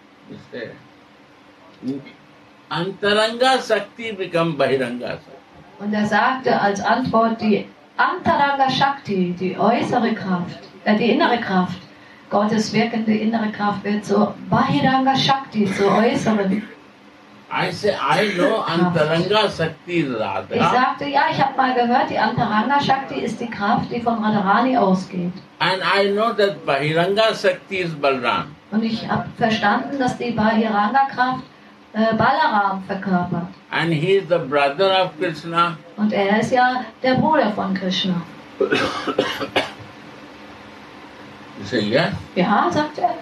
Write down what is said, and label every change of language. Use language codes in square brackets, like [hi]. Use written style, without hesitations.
[en] Is there? Antaranga Shakti become Bahiranga Shakti. [de] Und sagte als Antwort, die Antaranga Shakti, die äußere Kraft, die innere Kraft, Gottes wirkende innere Kraft wird zur Bahiranga Shakti, zur äußeren. [en] I say, I know Antaranga Shakti is Radha. [de] Ich sagte, ja, ich habe mal gehört, die Antaranga Shakti ist die Kraft, die von Radharani ausgeht. [en] And I know that Bahiranga Shakti is Balram. [de] Und ich habe verstanden, dass die Bahiranga Kraft Balaram verkörpert. [en] And he is the brother of Krishna. [de] Und ist ja der Bruder von Krishna. [en] You say yes? [de] Ja, sagt